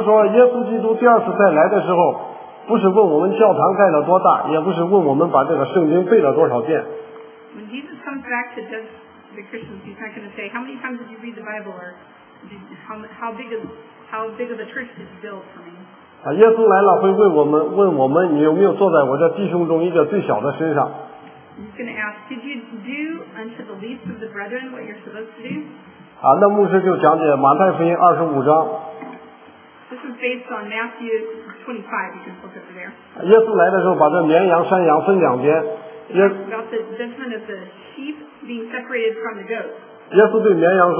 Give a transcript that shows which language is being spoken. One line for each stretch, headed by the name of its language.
Chinese: 当时那个牧师讲解得很详细，他说耶稣基督第二次再来的时候， 不是问我们教堂盖了多大， 也不是问我们把这个圣经背了多少遍。
English: When Jesus comes back to the Christians, he's not going to say, how many times did you read the Bible, or how big of a church did you build for me?
Chinese: 耶稣来了会问我们,
English: he's going to ask, did you do unto the least of the brethren what you're supposed to do?
Chinese: 那牧师就讲解马太福音25章。
English: This is based on Matthew 25, you can look over there.
Chinese: 耶稣来的时候把这绵羊山羊分两边。
English: About the judgment of the sheep being separated from the goats.